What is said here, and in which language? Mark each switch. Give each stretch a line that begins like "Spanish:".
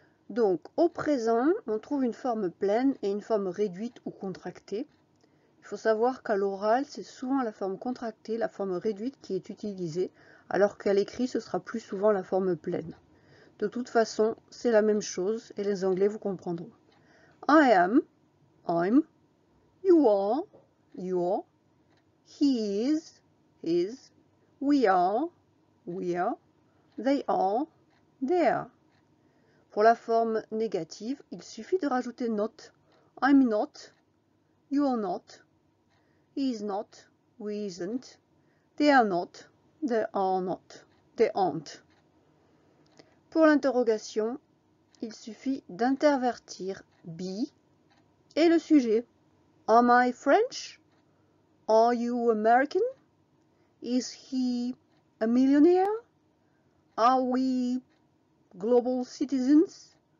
French: Donc au présent, on trouve une forme pleine et une forme réduite ou contractée. Il faut savoir qu'à l'oral, c'est souvent la forme contractée, la forme réduite qui est utilisée, alors qu'à l'écrit, ce sera plus souvent la forme pleine. De toute façon, c'est la même chose et les Anglais vous comprendront.
English: I am, I'm, you are, you're, he is, we are, they are, they are.
French: Pour la forme négative, il suffit de rajouter not.
English: I'm not, you are not, he is not, we isn't, they are not, they are not, they aren't.
French: Pour l'interrogation, il suffit d'intervertir be et le sujet.
English: Am I French? Are you American? Is he a millionaire? Are we global citizens?